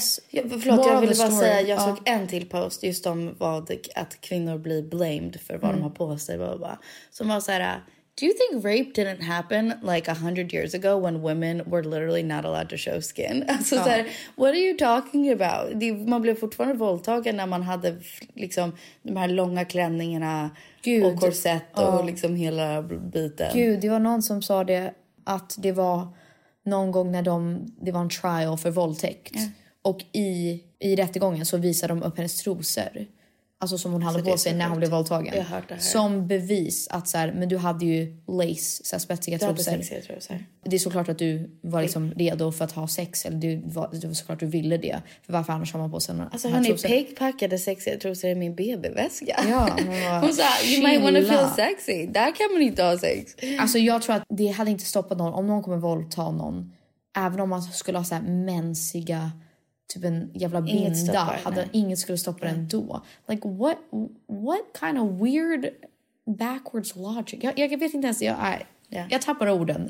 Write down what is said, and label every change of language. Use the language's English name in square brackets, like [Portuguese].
[Swedish] Jag ville bara säga, jag såg en till post just om att kvinnor blir blamed för vad de har på sig. Som var så här. [English] Do you think rape didn't happen like 100 years ago when women were literally not allowed to show skin? [Swedish] Alltså, så här, [English] what are you talking about? [Swedish] Man blev fortfarande våldtagen när man hade liksom de här långa klänningarna och korsett och liksom hela biten. Gud, det var någon som sa det, att det var någon gång när det var en trial för våldtäkt. [English] Yeah. [Swedish] Och i rättegången så visade de upp hennes trosor. Alltså som hon hade på sig när hon blev våldtagen. Jag har hört det här. Som bevis att så här, men du hade ju lace, så här spetsiga trosor. Det är såklart att du var liksom redo för att ha sex. Eller du var såklart du ville det. För varför annars har man på sig den här trosor? Alltså hörni, Pig packade sexiga trosor i min babyväska. Ja, hon sa, [English] you might want to feel sexy. [Swedish] Där kan man inte ha sex. Alltså jag tror att det hade inte stoppat någon. Om någon kommer våldta någon. Även om man skulle ha så här mänsiga... Typ en jävla inget binda stoppar, hade inget skulle stoppa den då. [English] Like what kind of weird backwards logic. [Swedish] Jag vet inte ens, jag tappar orden.